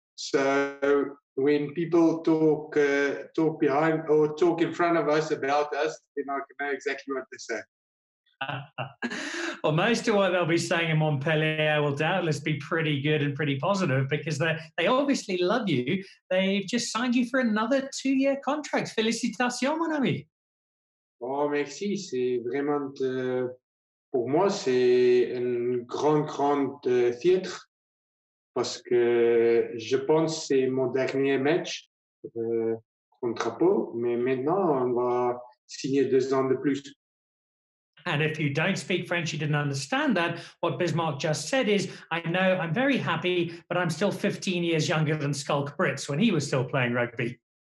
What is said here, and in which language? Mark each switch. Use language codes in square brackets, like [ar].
[en] So when people talk in front of us about us, then I can know exactly what they say. Well, most of what they'll be saying in Montpellier will doubtless be pretty good and pretty positive, because they obviously love you. They've just signed you for another 2-year contract. [fr] Félicitations, mon ami. Oh, merci. C'est vraiment pour moi, c'est un grand, grand fier, parce que je pense que c'est mon dernier match contre Pau, mais maintenant on va signer 2 ans de plus. [en] And if you don't speak French, you didn't understand that. What Bismarck just said is, I know I'm very happy, but I'm still 15 years younger than Skulk Brits when he was still playing rugby.